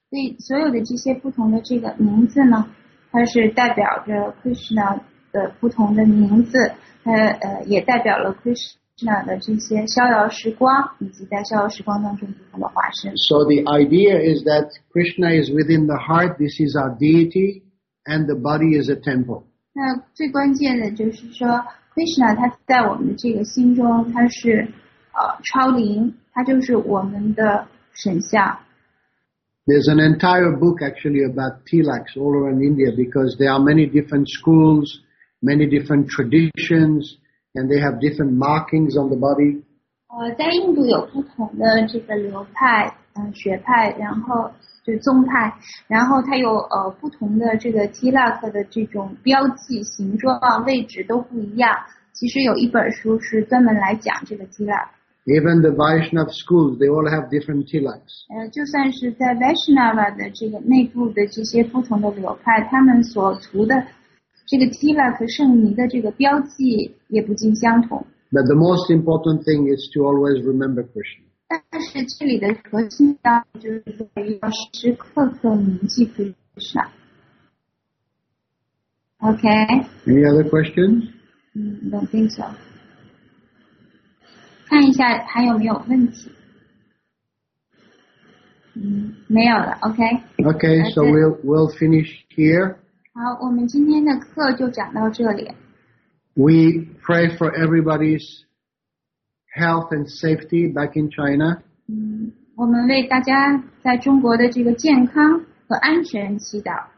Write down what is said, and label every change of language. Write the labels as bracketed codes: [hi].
[zh] 对，所有的这些不同的这个名字呢，它是代表着 Krishna 的不同的名字，它也代表了 Krishna 的这些逍遥时光，以及在逍遥时光当中不同的化身。 [en] So the idea is that Krishna is within the heart, this is our deity, and the body is a temple. [zh] 那最关键的就是说 Krishna 他在我们的这个心中他是超灵，他就是我们的神像。 [en] There's an entire book actually about tilaks all around India, because there are many different schools, many different traditions, and they have different markings on the body. [zh] 在印度有不同的这个流派、学派，然后就是宗派，然后它有不同的这个 tilak 的这种标记形状位置都不一样。其实有一本书是专门来讲这个 tilak。 [en] Even the Vaishnava schools, they all have different tilaks. [zh] 就算是在 Vaishnava 的这个内部的这些不同的流派，他们所涂的这个 tilak 圣泥的这个标记也不尽相同。 [en] But the most important thing is to always remember Krishna. [zh] 但是这里的核心就是要时刻刻铭记 Krishna. [en] Okay. Any other questions? I don't think so. [zh] 看一下还有没有问题。没有了。Okay. [en] Okay. So we'll finish here. [zh] 好，我们今天的课就讲到这里。 [en] We pray for everybody's health and safety back in China. [zh] 我们为大家在中国的这个健康和安全祈祷。